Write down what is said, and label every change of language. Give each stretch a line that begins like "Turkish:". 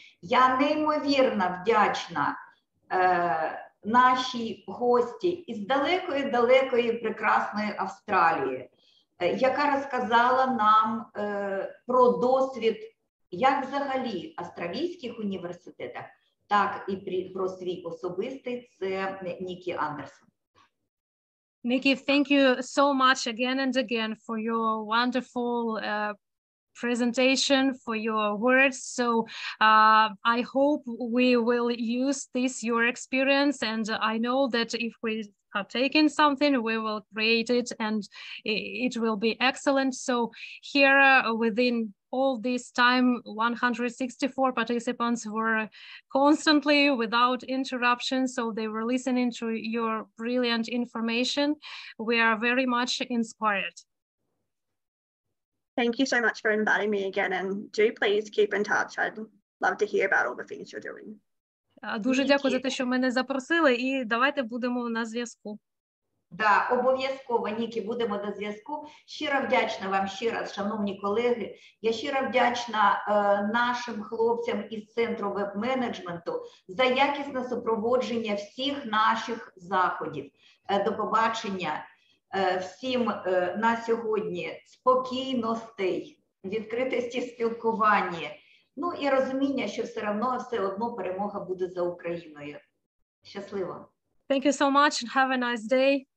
Ukrainian: Я неймовірно вдячна нашій гості із далекої-далекої прекрасної Австралії, яка розказала нам про досвід, як взагалі в австралійських університетах, так і про свій особистий, це Нікі Андерсон.
English: Nikki, thank you so much again and again for your wonderful presentation, for your words. So I hope we will use this, your experience. And I know that if we have taken something, we will create it and it will be excellent. So here within all this time, 164 participants were constantly without interruption. So they were listening to your brilliant information. We are very much inspired. Thank you so much for inviting me again. And do please keep in touch. I'd love to hear about all the things you're doing.
Ukrainian: Дуже дякую за те, що мене запросили. І давайте будемо на зв'язку. Да, обов'язково, Нікі, будемо на зв'язку. Щиро вдячна вам ще раз, шановні колеги. Я щиро вдячна нашим хлопцям із Центру веб-менеджменту за якісне супроводження всіх наших заходів. До побачення всім на сьогодні. Спокійностей, відкритості спілкування. Ну і розуміння, що все одно, перемога буде за Україною. Щасливо.
English: Thank you so much and have a nice day.